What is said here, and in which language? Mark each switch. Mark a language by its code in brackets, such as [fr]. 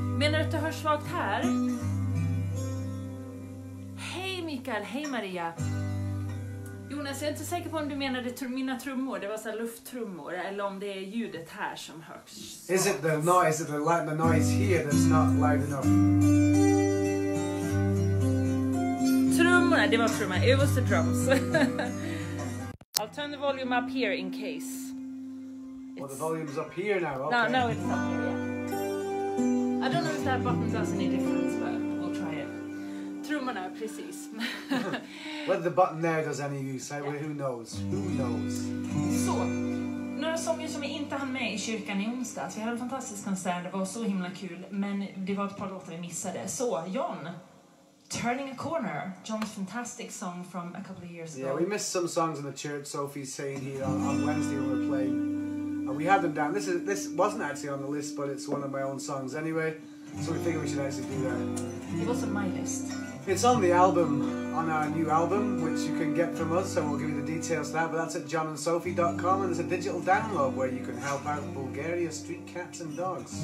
[sv] Menar du att det hörs svagt här? Hej Mikael, hej Maria. Jonas, jag är inte säker på om du menade mina trummor. Det var så lufttrummor. Eller om det är ljudet här som hörs svagt. [en] Is it the noise? Is it the noise here that's not loud enough? [sv] Trummorna, det var trummorna. [en] It was the drums. I'll turn the volume up here in case. Well, the volume's up here now, okay. No, it's up here, yeah. I don't know if that button does any difference, but we'll try it. [sv] Trummorna, precis. [en] Whether the button there does any use, yeah. Who knows? Who knows? [sv] Så, några sånger som vi inte hann med i kyrkan i onsdags. Vi hade en fantastisk konsert, det var så himla kul, men det var ett par låtar vi missade. [en] Så, John. Turning a Corner, John's fantastic song from a couple of years ago. Yeah, we missed some songs in the church, Sophie's saying here on Wednesday when we're playing. We had them down. This wasn't actually on the list, but it's one of my own songs anyway. So we figured we should actually do that. It wasn't my list. It's on the album, on our new album, which you can get from us, and we'll give you the details of that. But that's at johnandsophie.com, and there's a digital download where you can help out Bulgaria street cats and dogs.